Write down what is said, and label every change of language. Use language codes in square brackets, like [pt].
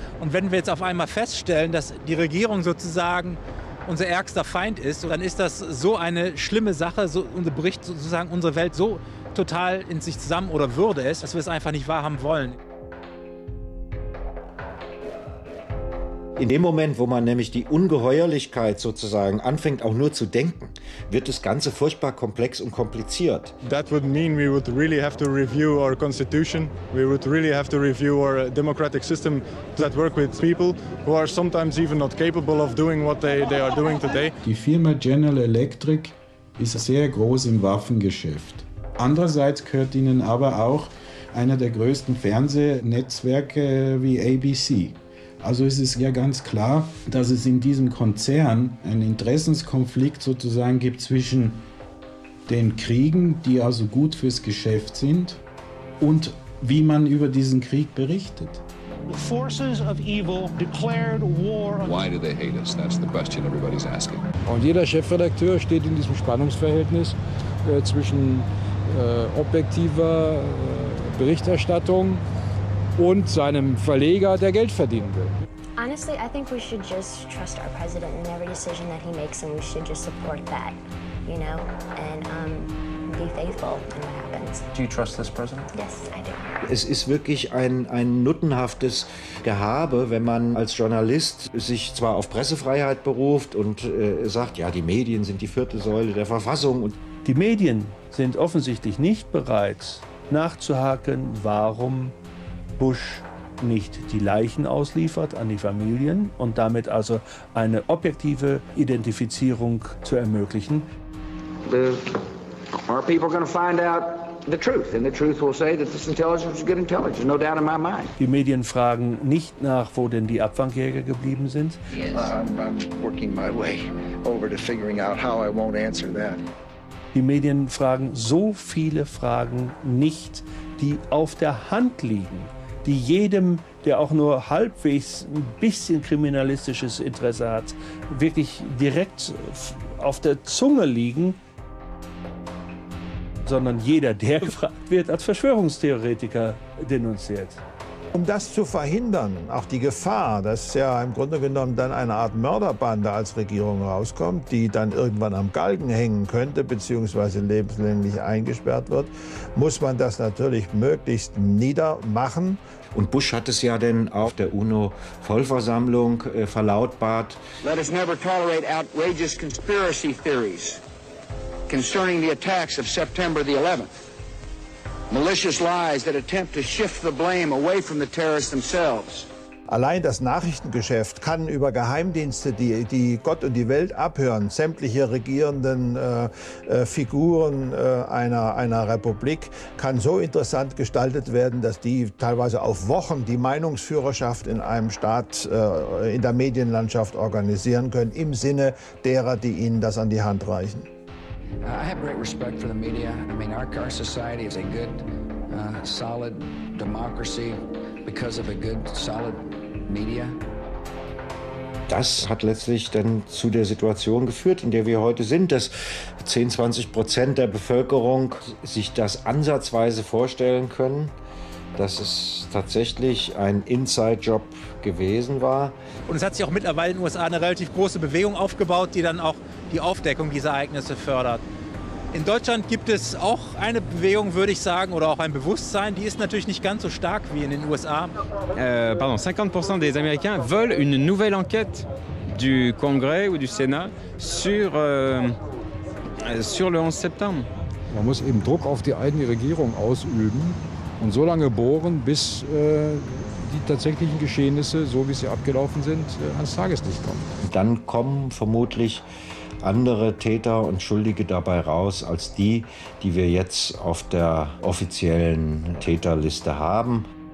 [de] Und wenn wir jetzt auf einmal feststellen, dass die Regierung sozusagen unser ärgster Feind ist, dann ist das so eine schlimme Sache, bricht sozusagen unsere Welt so total in sich zusammen oder würde es, dass wir es einfach nicht wahrhaben wollen. In dem Moment, wo man nämlich die Ungeheuerlichkeit sozusagen anfängt, auch nur zu denken, wird das Ganze furchtbar komplex und kompliziert. [en] That would mean we would really have to review our constitution. We would really have to review our democratic system that work with people who are sometimes even not capable of doing what they are doing today. [de] Die Firma General Electric ist sehr groß im Waffengeschäft. Andererseits gehört ihnen aber auch einer der größten Fernsehnetzwerke wie ABC. Also es ist ja ganz klar, dass es in diesem Konzern einen Interessenskonflikt sozusagen gibt zwischen den Kriegen, die also gut fürs Geschäft sind, und wie man über diesen Krieg berichtet. [en] Forces of evil declared war. Why do they hate us? That's the question everybody's asking. [de] Und jeder Chefredakteur steht in diesem Spannungsverhältnis zwischen objektiver Berichterstattung und seinem Verleger, der Geld verdienen will. [en] Honestly, I think we should just trust our president in every decision that he makes, and we should just support that, you know, and be faithful in what happens. Do you trust this president? Yes, I do. [de] Es ist wirklich ein nuttenhaftes Gehabe, wenn man als Journalist sich zwar auf Pressefreiheit beruft und sagt, ja, die Medien sind die vierte Säule der Verfassung. Und die Medien sind offensichtlich nicht bereit, nachzuhaken, warum Bush nicht die Leichen ausliefert an die Familien und damit also eine objektive Identifizierung zu ermöglichen. [en] Our people are going to find out the truth, and the truth will say that this intelligence is good intelligence, no doubt in my mind. [de] Die Medien fragen nicht nach, wo denn die Abfangjäger geblieben sind. [en] Yes. I'm working my way over to figuring out how I won't answer that. [de] Die Medien fragen so viele Fragen nicht, die auf der Hand liegen, die jedem, der auch nur halbwegs ein bisschen kriminalistisches Interesse hat, wirklich direkt auf der Zunge liegen, sondern jeder, der gefragt wird, als Verschwörungstheoretiker denunziert. Um das zu verhindern, auch die Gefahr, dass ja im Grunde genommen dann eine Art Mörderbande als Regierung rauskommt, die dann irgendwann am Galgen hängen könnte bzw. lebenslänglich eingesperrt wird, muss man das natürlich möglichst niedermachen. Und Bush hat es ja denn auf der UNO-Vollversammlung verlautbart. [en] Let us never tolerate outrageous conspiracy theories concerning the attacks of September the 11th. Malicious lies that attempt to shift the blame away from the terrorists themselves. [de] Allein das Nachrichtengeschäft kann über Geheimdienste, die Gott und die Welt abhören, sämtliche regierenden Figuren einer Republik, kann so interessant gestaltet werden, dass die teilweise auf Wochen die Meinungsführerschaft in einem Staat in der Medienlandschaft organisieren können, im Sinne derer, die ihnen das an die Hand reichen. [en] I have great respect for the media. I mean, our society is a good, solid democracy because of a good, solid media. [de] Das hat letztlich dann zu der Situation geführt, in der wir heute sind, dass 10-20% der Bevölkerung sich das ansatzweise vorstellen können, dass es tatsächlich ein Inside-Job gewesen war. Und es hat sich auch mittlerweile in den USA eine relativ große Bewegung aufgebaut, die dann auch die Aufdeckung dieser Ereignisse fördert. In Deutschland gibt es auch eine Bewegung, würde ich sagen, oder auch ein Bewusstsein, die ist natürlich nicht ganz so stark wie in den USA. [fr] 50% des Américains veulent une nouvelle enquête du Congrès ou du Sénat sur le 11 septembre. [de] Man muss eben Druck auf die eigene Regierung ausüben und so lange bohren, bis die tatsächlichen Geschehnisse, so wie sie abgelaufen sind, ans Tageslicht kommen. Dann kommen vermutlich andere Täter und Schuldige dabei raus, als die, die wir jetzt auf der offiziellen Täterliste haben.